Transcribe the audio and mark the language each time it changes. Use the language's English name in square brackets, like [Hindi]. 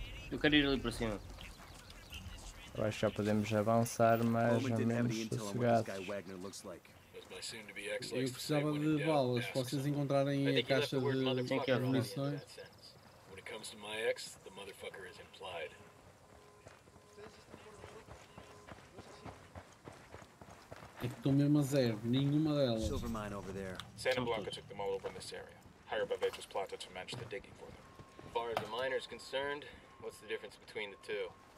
[Portuguese] Eu quero ir ali para cima. Eu acho que já podemos avançar, mas ao menos sossegados. Eu precisava de balas, se vocês encontrarem a caixa de munições. [English] Quando comes to my ex, the motherfucker is implied. [Portuguese] É que estou mesmo a zero, nenhuma delas. [English] Silver mine over there. Santa Blanca took them all over in this area. Hired by Vetus Plata to manage the digging for them. As far as the miner is concerned, what's the difference between the two?